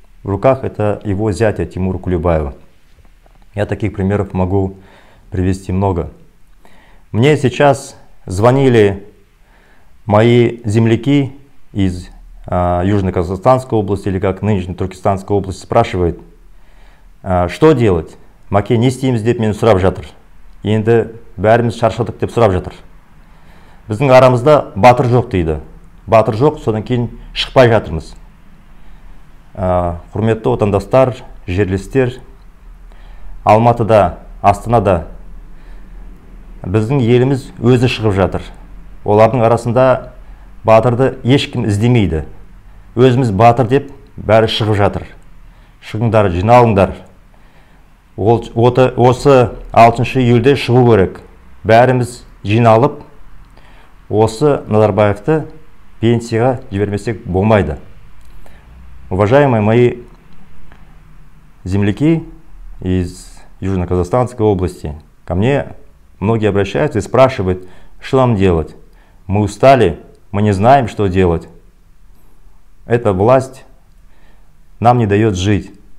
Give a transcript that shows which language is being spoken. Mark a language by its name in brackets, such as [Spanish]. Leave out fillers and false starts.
[Russian] В руках это его зятя Тимур Кулебаев. Я таких примеров могу привести много. Мне сейчас звонили мои земляки из Южно-Казахстанской области, или как нынешней Туркестанской области, спрашивают, что делать? [Kazakh] Маке, не стим с детьми, сурап жатыр. Енді бәріміз шаршадық деп сурап жатыр. Біздің арамызда батыр жоқ дейді. Батыр жоқ, содан кейін шықпай жатырмыз. Құрметті отандастар, жерлестер, Алматыда, Астанада біздің еліміз өзі шығып жатыр. Олардың арасында батырды ешкім іздемейді. Өзіміз батыр деп бәрі шығып жатыр. Шығыңдар, жиналыңдар. Осы 6 июльде шығу керек. Бәріміз жиналып, осы Назарбаевты пенсияға жібермесек болмайды. [Russian] Уважаемые мои земляки из Южно-Казахстанской области, ко мне многие обращаются и спрашивают, что нам делать. Мы устали, мы не знаем, что делать. Эта власть нам не дает жить.